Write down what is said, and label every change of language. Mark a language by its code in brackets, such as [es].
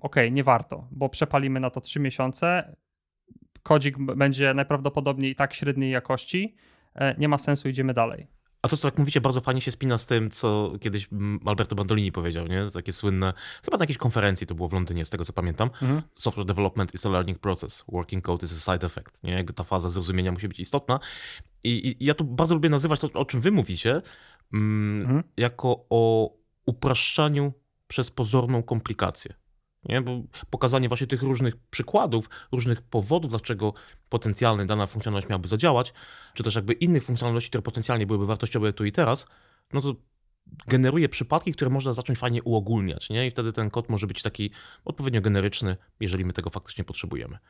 [pl] Okej, nie warto, bo przepalimy na to 3 miesiące, kodzik będzie najprawdopodobniej tak średniej jakości, nie ma sensu, idziemy dalej. A to, co tak mówicie, bardzo fajnie się spina z tym, co kiedyś Alberto Bandolini powiedział, nie? Takie słynne, chyba na jakiejś konferencji, to było w Londynie, z tego co pamiętam. Mm-hmm. [en] Software development is a learning process, working code is a side effect. [pl] Nie? Jakby ta faza zrozumienia musi być istotna. I ja tu bardzo lubię nazywać to, o czym wy mówicie, jako o upraszczaniu przez pozorną komplikację. Nie? Bo pokazanie właśnie tych różnych przykładów, różnych powodów, dlaczego potencjalnie dana funkcjonalność miałaby zadziałać, czy też jakby innych funkcjonalności, które potencjalnie byłyby wartościowe tu i teraz, no to generuje przypadki, które można zacząć fajnie uogólniać, nie? I wtedy ten kod może być taki odpowiednio generyczny, jeżeli my tego faktycznie potrzebujemy.